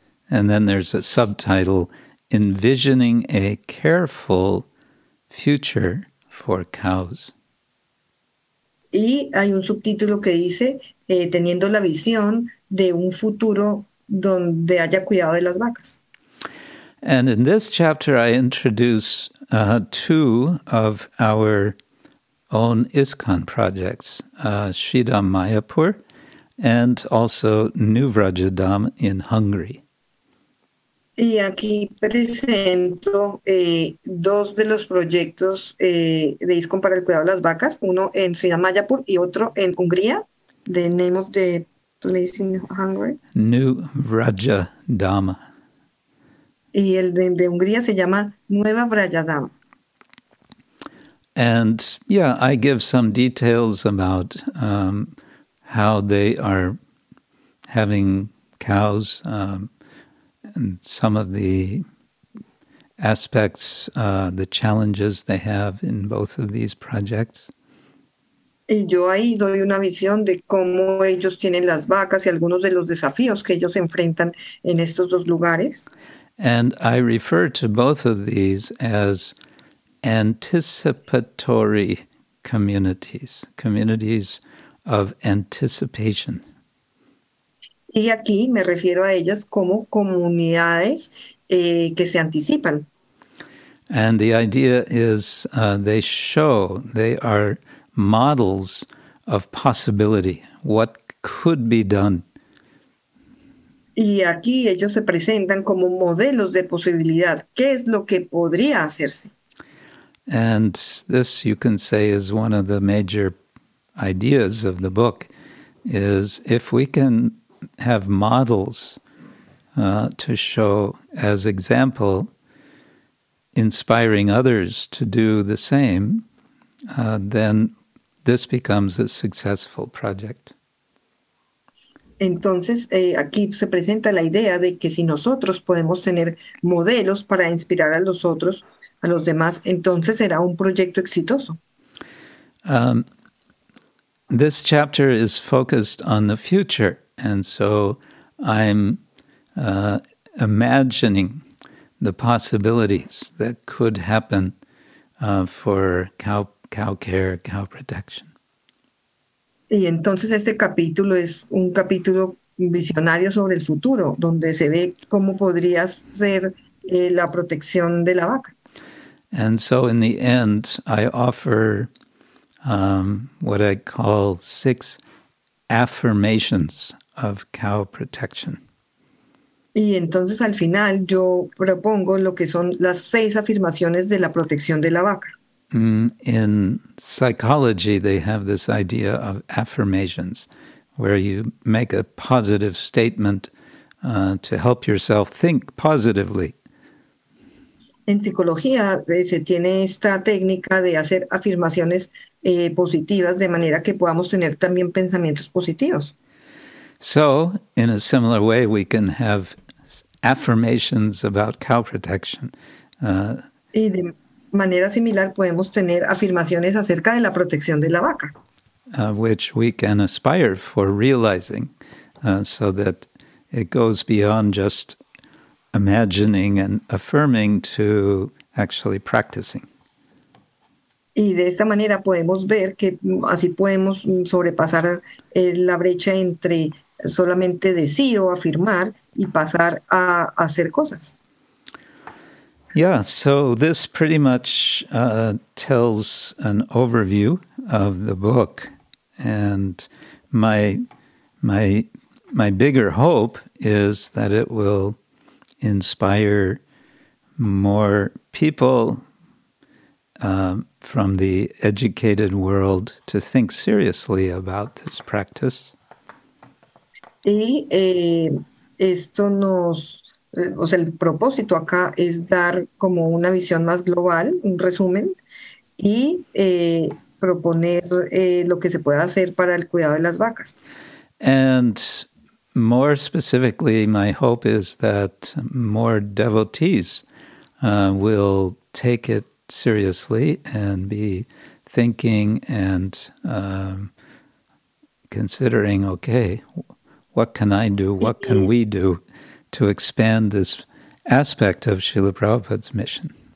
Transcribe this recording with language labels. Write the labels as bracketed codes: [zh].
[en] And then there's a subtitle, "Envisioning a careful future for cows." [es] Y hay un subtítulo que dice, teniendo la visión de un futuro donde haya cuidado de las vacas. [en] And in this chapter I introduce two of our own ISKCON projects, Shridham Mayapur and also Nuvrajadham in Hungary. [es] Y aquí presento dos de los proyectos de ISKCON para el cuidado de las vacas, uno en Shridham Mayapur y otro en Hungría, [en] the name of the place in Hungary. Nuvrajadham. [es] Y el de Hungría se llama Nueva Vrajadham. [en] And yeah, I give some details about how they are having cows, and some of the aspects, the challenges they have in both of these projects. [es] Y yo ahí doy una visión de cómo ellos tienen las vacas y algunos de los desafíos que ellos enfrentan en estos dos lugares. [en] And I refer to both of these as anticipatory communities, communities of anticipation. [es] Y aquí me refiero a ellas como comunidades que se anticipan. [en] And the idea is they show, they are models of possibility, what could be done. [es] Y aquí ellos se presentan como modelos de posibilidad, ¿qué es lo que podría hacerse? [en] And this, you can say, is one of the major ideas of the book, is if we can have models to show as example, inspiring others to do the same, then this becomes a successful project. [es] Entonces, aquí se presenta la idea de que si nosotros podemos tener modelos para inspirar a los otros, a los demás, entonces será un proyecto exitoso. [en] This chapter is focused on the future, and so I'm imagining the possibilities that could happen for cow care, cow protection. [es] Y entonces este capítulo es un capítulo visionario sobre el futuro, donde se ve cómo podría ser la protección de la vaca. [en] And so in the end, I offer what I call six affirmations of cow protection. [es] Y entonces al final yo propongo lo que son las seis afirmaciones de la protección de la vaca. [en] In psychology, they have this idea of affirmations, where you make a positive statement to help yourself think positively. [es] En psicología se tiene esta técnica de hacer afirmaciones positivas de manera que podamos tener también pensamientos positivos. [en] So, in a similar way, we can have affirmations about cow protection. [es] Y de manera similar podemos tener afirmaciones acerca de la protección de la vaca. [en] Which we can aspire for realizing so that it goes beyond just imagining and affirming to actually practicing. [es] Y de esta manera podemos ver que así podemos sobrepasar la brecha entre solamente decir o afirmar y pasar a hacer cosas. [en] Yeah, so this pretty much tells an overview of the book, and my bigger hope is that it will inspire more people from the educated world to think seriously about this practice. [es] Y esto nos, o sea, el propósito acá es dar como una visión más global, un resumen, y proponer lo que se pueda hacer para el cuidado de las vacas. [en] And more specifically, my hope is that more devotees will take it seriously and be thinking and considering, okay, what can I do, what can we do to expand this aspect of Srila Prabhupada's mission?